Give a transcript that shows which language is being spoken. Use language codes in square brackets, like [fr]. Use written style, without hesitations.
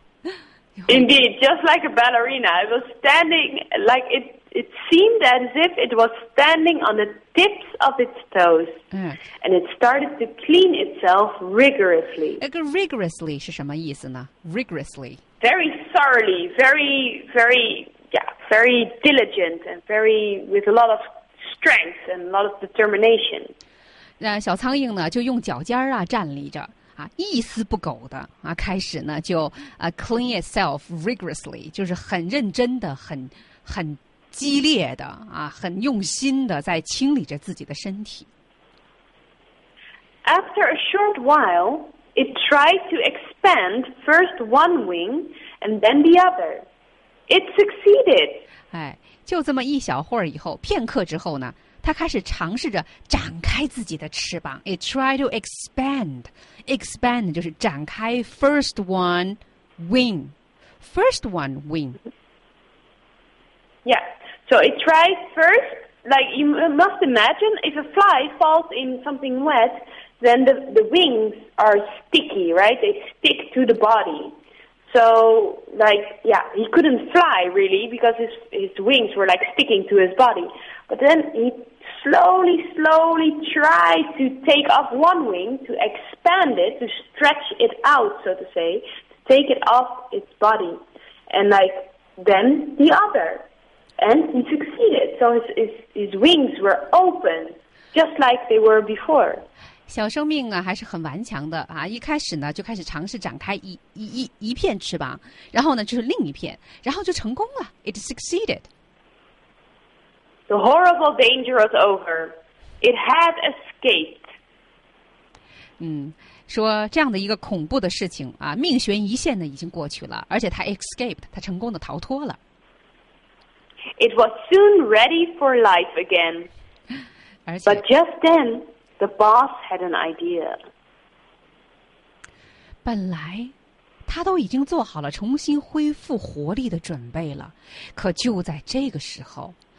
[en] Yeah. Indeed, just like a ballerina, it was standing, like it seemed as if it was standing on the tips of its toes,and it started to clean itself rigorously. [zh] Rigorously 是什么意思呢 ?Rigorously. [en] Very thoroughly, very, very, yeah, very diligent, and very, with a lot of strength and a lot of determination. [zh] 那小苍蝇呢就用脚尖啊站立着。啊，一丝不苟的啊，开始呢就 [en] clean itself rigorously， [zh] 就是很认真的、很激烈的啊，很用心的在清理着自己的身体。 [en] After a short while, it tried to expand first one wing and then the other. It succeeded. [zh] 哎，就这么一小会儿以后，片刻之后呢？他开始尝试着展开自己的翅膀。 [en] It tried to expand. Expand [zh] 就是展开 [en] first one wing. First one wing. Yeah. So it tried first. Like you must imagine, if a fly falls in something wet, then the wings are sticky, right? They stick to the body. So, like, yeah, he couldn't fly really because his wings were like sticking to his body. But then he. Slowly, slowly try to take off one wing, to expand it, to stretch it out, so to say, to take it off its body. And like, then the other. And he succeeded. So his wings were open, just like they were before. [zh] 小生命啊，还是很顽强的啊，一开始呢，就开始尝试展开一片翅膀，然后呢，就是另一片，然后就成功了。 [en] It succeeded. The horrible danger was over. It had escaped. [zh] 说这样的一个恐怖的事情啊，命悬一线呢已经过去了，而且它 escaped， 它成功的逃脱了。 [en] It was soon ready for life again. But just then, the boss had an idea. [zh] 本来他都已经做好了重新恢复活力的准备了，可就在这个时候。